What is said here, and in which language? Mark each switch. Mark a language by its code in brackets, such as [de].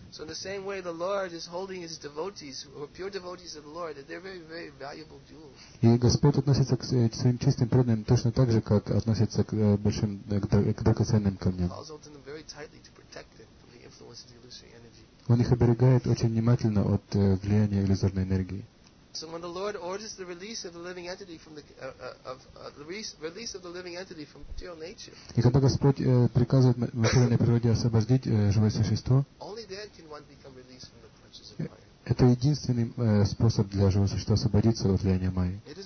[en] So in the same way, the Lord is holding His devotees, who are pure devotees of the Lord, that they're very, very valuable jewels. [ru] И Господь относится к своим чистым преданным точно так же, как относится к большим, к драгоценным камням. [en] He holds them very tightly to protect them from the influence of the illusory energy. [ru] Он их оберегает очень внимательно от влияния иллюзорной энергии. [en] So when the Lord orders the release of the living entity from the release of the living entity from material nature. [ru] И когда Господь приказывает материальной природе освободить живое существо, [en] only then can one become released from the clutches of Maya. [ru] Это единственный способ для живого существа освободиться от влияния майи.